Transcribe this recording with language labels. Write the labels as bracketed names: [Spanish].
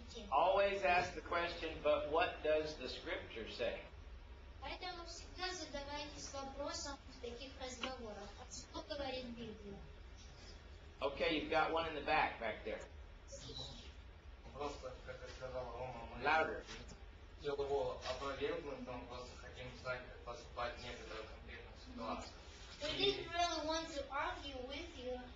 [English] Always ask the question, but what does the scripture say? [Russian] Поэтому всегда задавайтесь вопросом в таких разговорах. Что говорит Библия? [English] Okay, you've got one in the back, back there. [Russian] Просто, как я сказал, Рома, мы... [English] Louder. [Russian] Я его опровергнуть, но мы просто хотим знать, как поступать в некоторых конкретных ситуациях. [English] We didn't really want to argue with you.